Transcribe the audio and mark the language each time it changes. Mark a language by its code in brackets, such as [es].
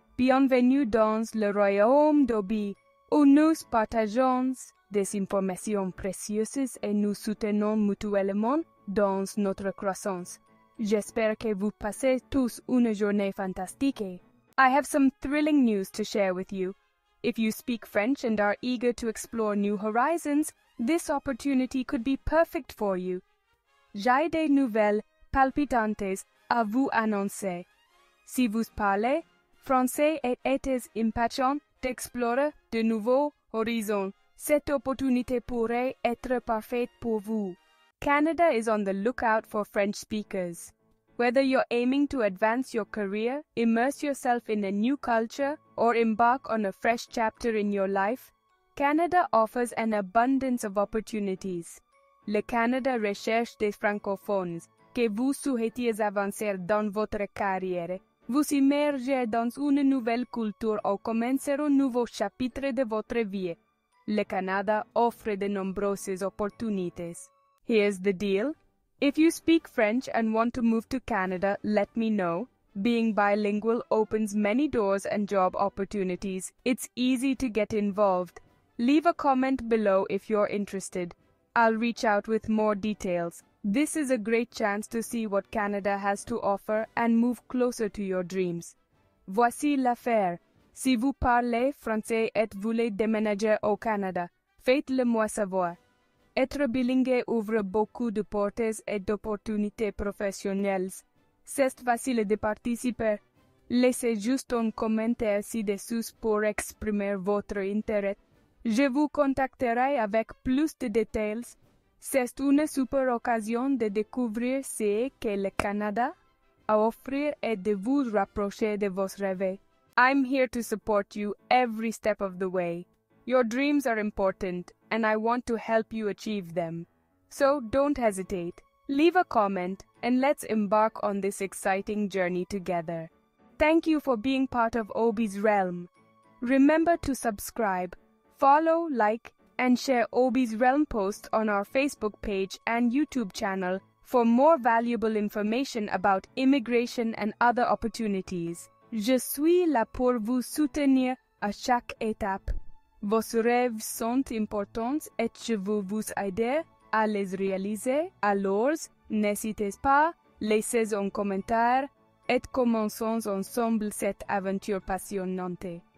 [fr] Bienvenue dans le royaume d'Obi, où nous partageons des informations précieuses et nous soutenons mutuellement dans notre croissance. J'espère que vous passez tous une journée fantastique. [en] I have some thrilling news to share with you. If you speak French and are eager to explore new horizons, this opportunity could be perfect for you. [fr] J'ai des nouvelles palpitantes à vous annoncer. Si vous parlez français et êtes impatient d'explorer de nouveaux horizons, cette opportunité pourrait être parfaite pour vous. [en] Canada is on the lookout for French speakers. Whether you're aiming to advance your career, immerse yourself in a new culture, or embark on a fresh chapter in your life, Canada offers an abundance of opportunities. [fr] Le Canada recherche des francophones que vous souhaitiez avancer dans votre carrière, vous immerger dans une nouvelle culture ou commencer un nouveau chapitre de votre vie. Le Canada offre de nombreuses opportunités. [en] Here's the deal. If you speak French and want to move to Canada, let me know. Being bilingual opens many doors and job opportunities. It's easy to get involved. Leave a comment below if you're interested. I'll reach out with more details. This is a great chance to see what Canada has to offer and move closer to your dreams. [fr] Voici l'affaire. Si vous parlez français et voulez déménager au Canada, faites-le moi savoir. Être bilingue ouvre beaucoup de portes et d'opportunités professionnelles. C'est facile de participer. Laissez juste un commentaire ci-dessous pour exprimer votre intérêt. Je vous contacterai avec plus de détails. C'est une super occasion de découvrir ce que le Canada a à offrir et de vous rapprocher de vos rêves. [en] I'm here to support you every step of the way. Your dreams are important, and I want to help you achieve them. So don't hesitate. Leave a comment, and let's embark on this exciting journey together. Thank you for being part of Obi's Realm. Remember to subscribe, follow, like, and share Obi's Realm posts on our Facebook page and YouTube channel for more valuable information about immigration and other opportunities. [fr] Je suis là pour vous soutenir à chaque étape. Vos rêves sont importants et je veux vous aider à les réaliser. Alors, n'hésitez pas, laissez un commentaire et commençons ensemble cette aventure passionnante.